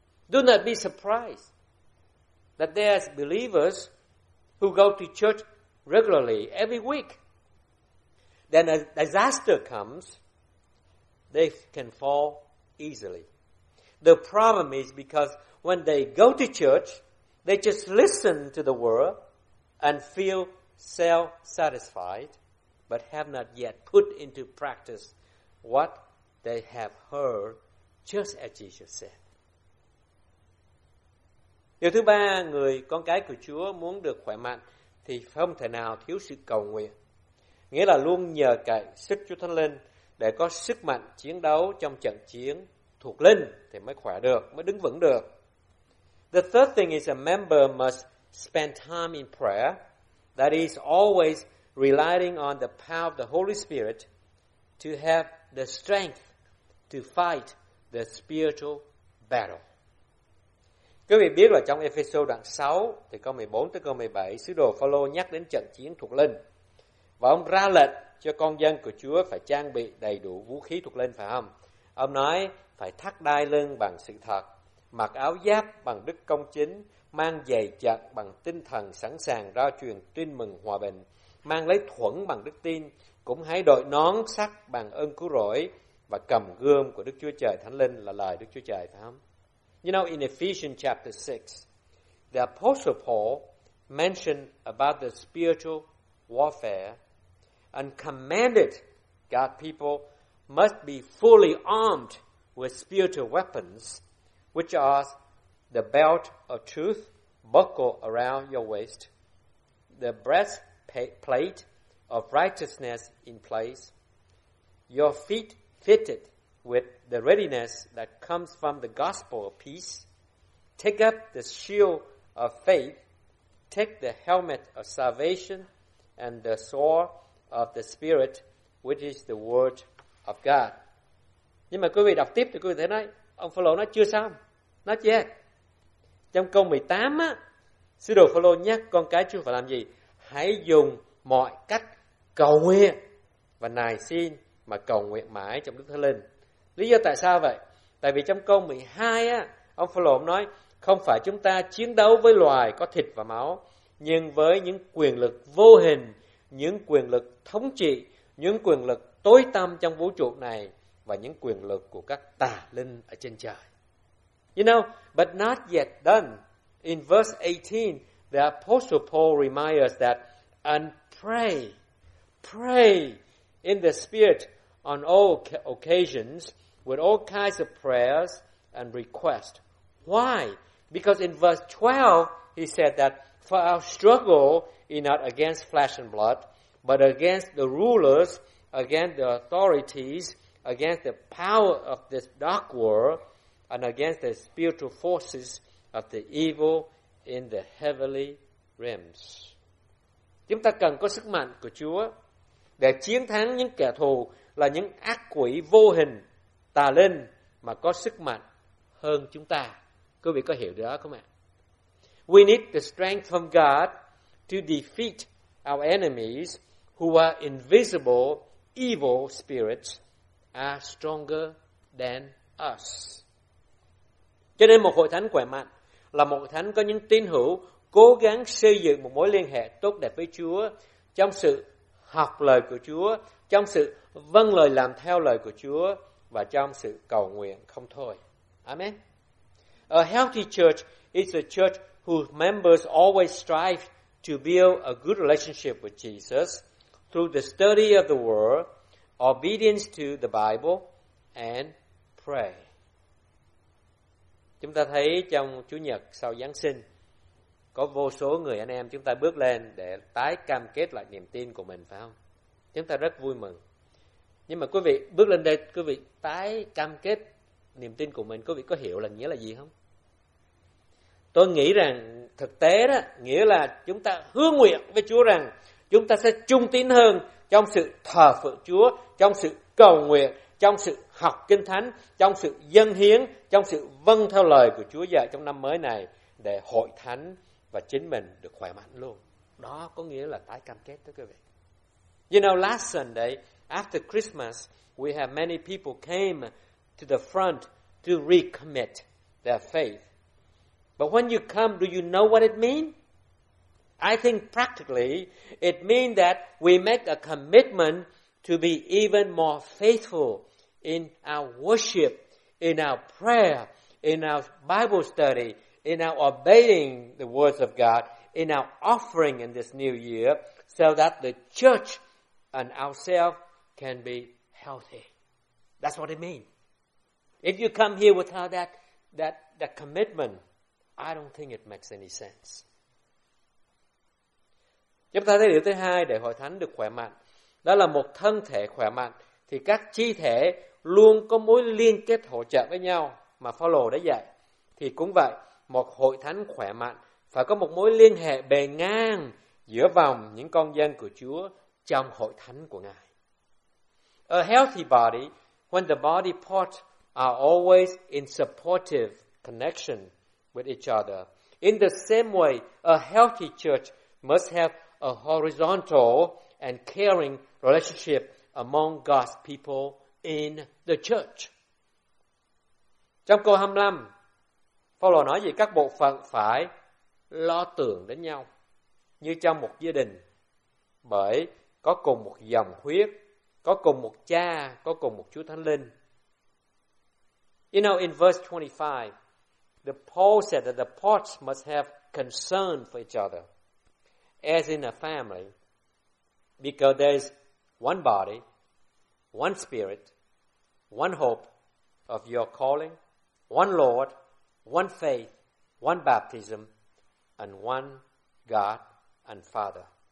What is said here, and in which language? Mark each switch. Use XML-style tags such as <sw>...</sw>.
<en>Do not be surprised that there are believers who go to church regularly every week. Then a disaster comes, they can fall easily. The problem is because when they go to church, they just listen to the word and feel self-satisfied, but have not yet put into practice what they have heard, just as Jesus said.</en> <vi>Điều thứ ba, người con cái của Chúa muốn được khỏe mạnh thì không thể nào thiếu sự cầu nguyện. Nghĩa là luôn nhờ cậy sức Chúa Thánh Linh để có sức mạnh chiến đấu trong trận chiến thuộc linh thì mới khỏe được, mới đứng vững được.</vi> <en>The third thing is a member must spend time in prayer, that is always relying on the power of the Holy Spirit to have the strength to fight the spiritual battle.</en> <vi>Quý vị biết là trong Ephesos đoạn 6 thì câu 14 tới câu 17 sứ đồ Phaolô nhắc đến trận chiến thuộc linh. Và ông ra lệnh cho con dân của Chúa phải trang bị đầy đủ vũ khí thuộc linh, phải không? Ông nói phải thắt đai lưng bằng sự thật, mặc áo giáp bằng đức công chính, mang giày chặt bằng tinh thần sẵn sàng rao truyền tin mừng hòa bình, mang lấy thuẫn bằng đức tin, cũng hãy đội nón sắt bằng ơn cứu rỗi và cầm gươm của Đức Chúa Trời Thánh Linh là lời Đức Chúa Trời, phải không?</vi> <en>You know, in Ephesians chapter 6, the Apostle Paul mentioned about the spiritual warfare and commanded God people must be fully armed with spiritual weapons, which are the belt of truth buckled around your waist, the breastplate of righteousness in place, your feet fitted with the readiness that comes from the gospel of peace. Take up the shield of faith, take the helmet of salvation, and the sword of the Spirit, which is the word of God.</en> <vi>Nhưng mà quý vị đọc tiếp thì quý vị thấy nói, ông Phaolô nói chưa xong,</vi> <en>not yet.</en> <vi>Trong câu 18 á, sứ đồ Phaolô nhắc con cái Chúa phải làm gì? Hãy dùng mọi cách cầu nguyện và nài xin, mà cầu nguyện mãi trong Đức Thánh Linh. Lý do tại sao vậy? Tại vì trong câu 12 á, ông Phaolô nói không phải chúng ta chiến đấu với loài có thịt và máu, nhưng với những quyền lực vô hình, những quyền lực thống trị, những quyền lực tối tăm trong vũ trụ này và những quyền lực của các tà linh ở trên trời.</vi> <en>You know, but not yet done. In verse 18, the Apostle Paul reminds us that and pray in the Spirit on all occasions with all kinds of prayers and requests. Why? Because in verse 12, he said that for our struggle is not against flesh and blood, but against the rulers, against the authorities, against the power of this dark world, and against the spiritual forces of the evil in the heavenly realms.</en> <vi>Chúng ta cần có sức mạnh của Chúa để chiến thắng những kẻ thù là những ác quỷ vô hình, tà linh mà có sức mạnh hơn chúng ta. Quý vị có hiểu điều đó không ạ?</vi> <en>We need the strength from God to defeat our enemies who are invisible evil spirits are stronger than us.</en> <vi>Cho nên một hội thánh khỏe mạnh là một hội thánh có những tín hữu cố gắng xây dựng một mối liên hệ tốt đẹp với Chúa trong sự học lời của Chúa, trong sự vâng lời làm theo lời của Chúa và trong sự cầu nguyện không thôi. Amen.</vi> <en>A healthy church is a church whose members always strive to build a good relationship with Jesus through the study of the Word, obedience to the Bible, and prayer.</en> <vi>Chúng ta thấy trong Chủ nhật sau Giáng sinh, có vô số người anh em chúng ta bước lên để tái cam kết lại niềm tin của mình, phải không? Chúng ta rất vui mừng. Nhưng mà quý vị bước lên đây, quý vị tái cam kết niềm tin của mình, quý vị có hiểu là nghĩa là gì không? Tôi nghĩ rằng thực tế đó, nghĩa là chúng ta hứa nguyện với Chúa rằng chúng ta sẽ trung tín hơn trong sự thờ phượng Chúa, trong sự cầu nguyện, trong sự học Kinh Thánh, trong sự dâng hiến, trong sự vâng theo lời của Chúa dạy trong năm mới này để hội thánh và chính mình được khỏe mạnh luôn. Đó có nghĩa là tái cam kết đó quý vị.</vi> <en>You know, last Sunday, after Christmas, we have many people came to the front to recommit their faith. But when you come, do you know what it means? I think practically, it means that we make a commitment to be even more faithful in our worship, in our prayer, in our Bible study, in our obeying the words of God, in our offering in this new year, so that the church and ourselves can be healthy. That's what it means. If you come here without that commitment, I don't think it makes any sense.</en> <vi>Chúng ta thấy điều thứ hai để hội thánh được khỏe mạnh, đó là một thân thể khỏe mạnh thì các chi thể luôn có mối liên kết hỗ trợ với nhau mà Phaolô đã dạy. Thì cũng vậy, một hội thánh khỏe mạnh phải có một mối liên hệ bề ngang giữa vòng những con dân của Chúa trong hội thánh của Ngài.</vi> <en>A healthy body, when the body parts are always in supportive connection with each other. In the same way, a healthy church must have a horizontal and caring relationship among God's people in the church.</en> <vi>Trong câu 25, Phaolô nói gì? Các bộ phận phải lo tưởng đến nhau như trong một gia đình, bởi có cùng một dòng huyết, có cùng một cha, có cùng một Chúa Thánh Linh.</vi> <en>You know, in verse 25, the Paul said that the parts must have concern for each other, as in a family, because there is one body, one spirit, one hope of your calling, one Lord, one faith, one baptism, and one God and Father.</en>